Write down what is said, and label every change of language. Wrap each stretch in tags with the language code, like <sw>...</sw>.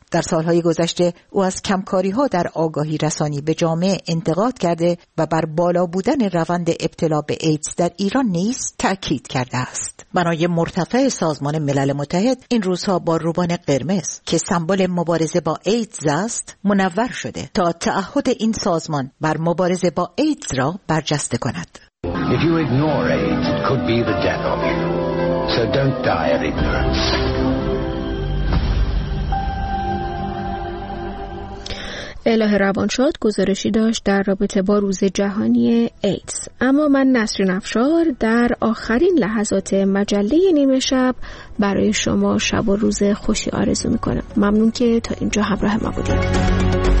<fa>در سالهای گذشته او از کمکاری‌ها در آگاهی رسانی به جامعه انتقاد کرده و بر بالا بودن روند ابتلا به ایدز در ایران نیز تأکید کرده است. بنای مرتفع سازمان ملل متحد این روزها با روبان قرمز که سمبل مبارزه با ایدز است منور شده تا تعهد این سازمان بر مبارزه با ایدز را برجسته کند.</fa> <en>If you ignore AIDS, it could be the death of you. So don't die of ignorance.</en> <fa>اله روان شد گزارشی داشت در رابطه با روز جهانی ایدز. اما من نسرین افشار در آخرین لحظات مجله نیمه شب برای شما شب و روز خوشی آرزو میکنم. ممنون که تا اینجا همراه ما بودید.</fa>